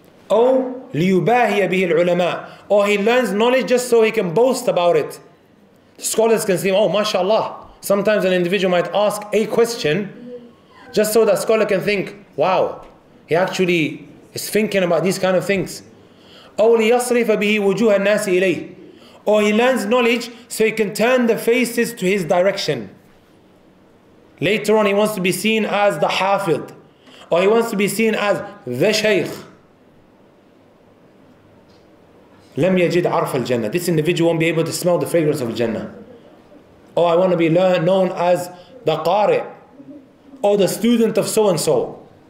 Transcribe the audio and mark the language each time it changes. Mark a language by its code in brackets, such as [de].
[ar] أو ليباهي به العلماء. [en] Or he learns knowledge just so he can boast about it. The scholars can see, oh, mashallah. Sometimes an individual might ask a question just so that scholar can think, wow, he actually is thinking about these kind of things. [ar] أو ليصرف به وجوه الناس إليه. [en] Or he learns knowledge so he can turn the faces to his direction. Later on, he wants to be seen as the hafid, or he wants to be seen as the shaykh. [ar] لم يجد عرف الجنة. [en] This individual won't be able to smell the fragrance of Jannah. Oh, I want to be known as the qari, or the student of so and so.